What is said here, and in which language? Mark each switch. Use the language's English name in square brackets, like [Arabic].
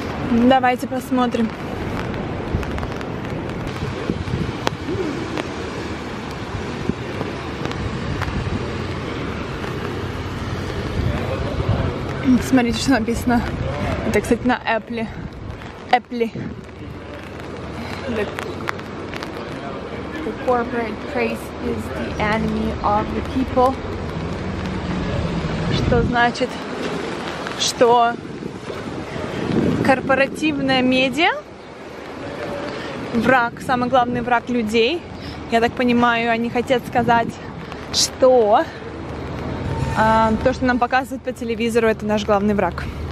[Russian] Давайте посмотрим. Смотрите, что написано. Это, кстати, на Apple. [English] Apple. The corporate praise is the enemy of the people. [Russian] Что значит, что корпоративная медиа враг, самый главный враг людей. я так понимаю, они хотят сказать, что то, что нам показывают по телевизору, это наш главный враг.